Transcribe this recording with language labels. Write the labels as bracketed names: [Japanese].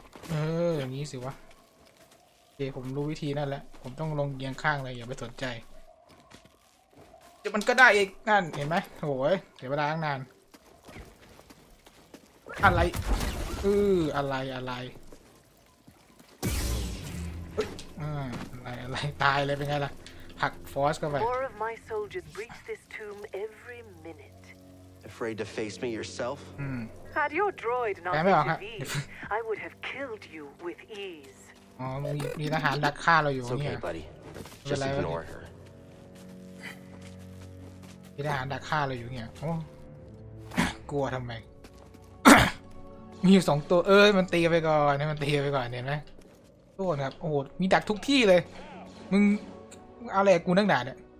[Thai] เอออย่างนี้สิวะโอเคผมรู้วิธีนั่นแหละผมต้องลงเอียงข้างเลยอย่าไปสนใจมันก็ได้อีกนั่นเห็นไหมโหยเสียเวลาตั้งนานอะไรอืออะไรอะไรอะไรอะไรตายเลยเป็นไงล่ะผักฟอสเข้าไป [English] Four of my soldiers breach this tomb every minute. Afraid to face me yourself? Had your droid not been defeated, I would have killed you with ease. [Thai] อ๋อมีทหารดักฆ่าเราอยู่เนี่ย [English] Just ignore her. [Thai] พี่ทหารดักฆ่าเราอยู่เนี่ยโอ้กลัวทำไม มีอยู่สองตัวเอ้ยมันตีไปก่อนให้มันตีไปก่อนเห็นไหมทุกคนครับโอ้โหมีดักทุกที่เลยมึงเอาอะไรกูนั่งด่าเนี่ย